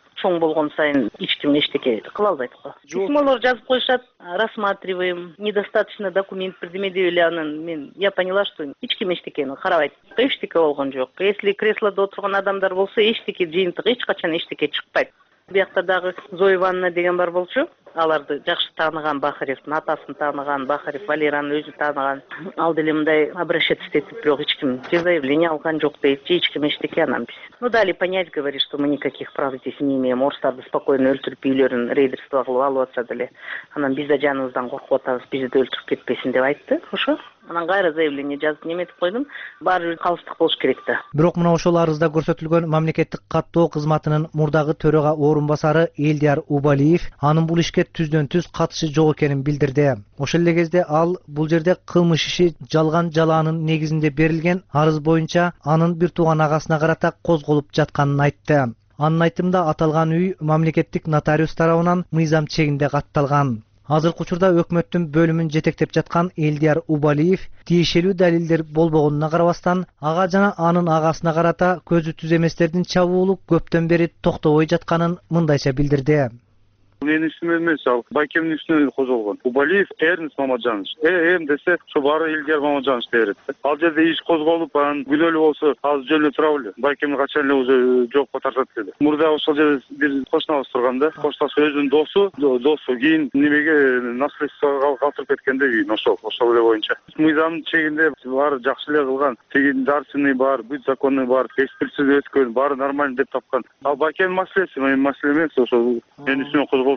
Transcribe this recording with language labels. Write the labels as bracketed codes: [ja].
[ky] Чоң болгон сайын эч ким эчтеке кыла албайт го. Письмолор жазып коюшат, рассматриваем, недостаточно документ, предъявим деп эле анын мен я поняла, что эч ким эчтекени карабайт. Эчтеке болгон жок. Если креслодо отурган адамдар болсо, эчтеке жыйынтык эч качан эчтеке чыкпайт. Биякта дагы Зоя Ивановна деген бар болчу. Аларды жакшы тааныган Бахаревдин атасын тааныган, Бахарев Валеранын өзү тааныган. Ал деле мындай обращать истетип, бирок эч ким же заявление алган жок дейт, же эч ким эчтеке анан биз. [ru] Ну дали понять говорит, что мы никаких прав здесь не имеем. [ky] Орустарды спокойно өлтүрүп үйлөрүн рейдерство кылып алып атса деле. Анан биз да жаныбыздан коркуп атабыз, бизди да өлтүрүп кетпесин деп айтты. Ошо. Анан кайра заявление жазып неметип койдум. Баары бир калыстык болуш керек да. Бирок мына ошол арызда көрсөтүлгөн мамлекеттик каттоо кызматынын мурдагы төрөга орун басары Элдияр Убалиев анын бул ишке түздөн түз катышы жок экенин билдирди. Ошол эле кезде ал бул жерде кылмыш иши жалган жалаанын негизинде берилген арыз боюнча анын бир тууган агасына карата козголуп жатканын айтты. Анын айтымында аталган үй мамлекеттик нотариус тарабынан мыйзам чегинде катталган. Азыркы учурда өкмөттүн бөлүмүн жетектеп жаткан Элдияр Убалиев тиешелүү далилдер болбогонуна карабастан ага жана анын агасына карата көзү түз эместердин чабуулу көптөн бери токтобой жатканын мындайча билдирди. Менин үстүмө эмес, ал байкемдин үстүнөн козголгон. Убалиев Эрнст Мамажанович. Эм десе ошо баары Элдияр Мамажанович дей берет. Ал жерде иш козголуп, анан күнөөлүү болсо азыр жөн эле турабы эле. Байкемди качан эле уже жоопко тартат деди. Мурда ошол жерде бир кошунабыз турган да. Кошунасы өзүнүн досу, досу кийин немеге наследствого калтырып кеткенде үйүн ошол, ошол эле боюнча. Мыйзамдын чегинде баары жакшы эле кылган. Тигин дарсыны бар, бүт законы бар, экспертиза өткөн, баары нормально деп тапкан. Ал байкемдин маселеси, менин маселем эмес, ошо менин үстүмө козголгон.